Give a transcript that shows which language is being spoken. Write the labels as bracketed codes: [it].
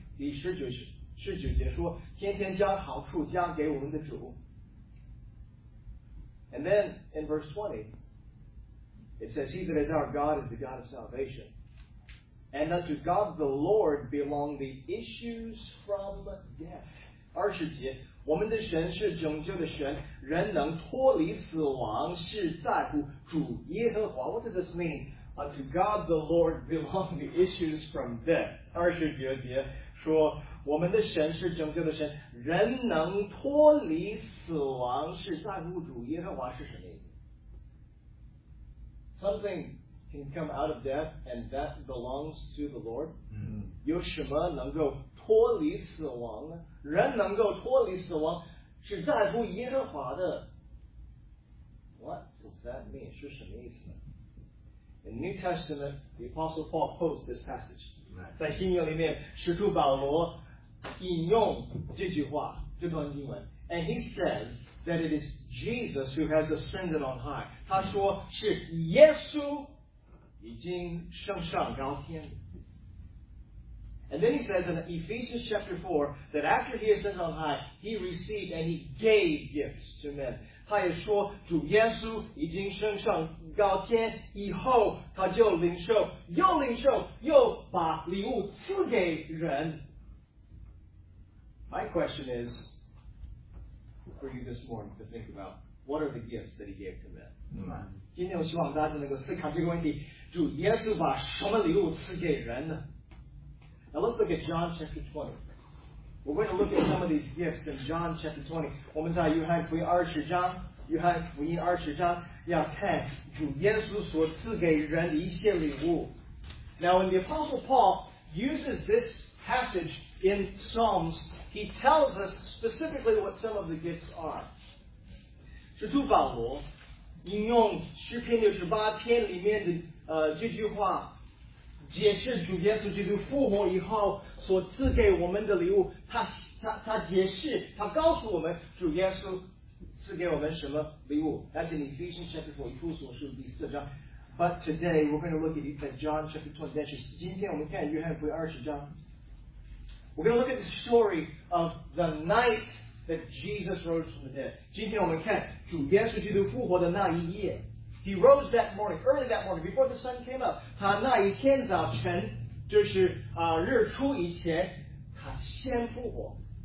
[zh] 第十九节说,天天将好处加给我们的主. [en] And then in verse 20, it says, He that is our God is the God of salvation. And unto God the Lord belong the issues from death. [zh] 二十节, 我们的神是拯救的神，人能脱离死亡，是在乎主耶和华。 [en] What does this mean? To God the Lord belong the issues from death. [zh] 二十九节说，我们的神是拯救的神，人能脱离死亡，是在乎主耶和华是什么意思？ [en] Something can come out of death, and that belongs to the Lord. [zh] Mm-hmm. 有什么能够脱离死亡呢？人能够脱离死亡。是在乎耶和华的。 [en] What does that mean? [zh] 是什么意思呢？ [en] In New Testament, the Apostle Paul quotes this passage. [zh] 在新约里面，使徒保罗引用这句话，这段经文。 [en] And he says that it is Jesus who has ascended on high. [zh] 他说是耶稣已经升上高天。 [en] And then he says in Ephesians chapter 4 that after he ascended on high, he received and he gave gifts to men. [zh] 他也说主耶稣已经升上高天以后，他就领受，又领受，又把礼物赐给人。 [en] My question is for you this morning to think about what are the gifts that he gave to men? [zh] 今天我希望大家能够思考这个问题，主耶稣把什么礼物赐给人呢？ [en] Now let's look at John chapter 20. We're going to look at some of these gifts in John chapter 20. [zh] 我们在约翰福音二十章，约翰福音二十章要看主耶稣所赐给人的一些礼物。 [en] Now when the Apostle Paul uses this passage in Psalms, he tells us specifically what some of the gifts are. [zh] 使徒保罗引用诗篇六十八篇里面的这句话。解释主耶稣基督复活以后所赐给我们的礼物，他解释，他告诉我们主耶稣赐给我们什么礼物。 [en] That's in Ephesians chapter 4, [zh] 以弗所书第四章。 [en] But today we're going to look at John chapter 20. [zh] 但是今天我们看约翰福音二十章。 [en] We're going to look at the story of the night that Jesus rose from the dead. [zh] 今天我们看主耶稣基督复活的那一夜。 [en] He rose that morning, early that morning, before the sun came up. [zh] 他那一天早晨，就是日出以前，他先复活。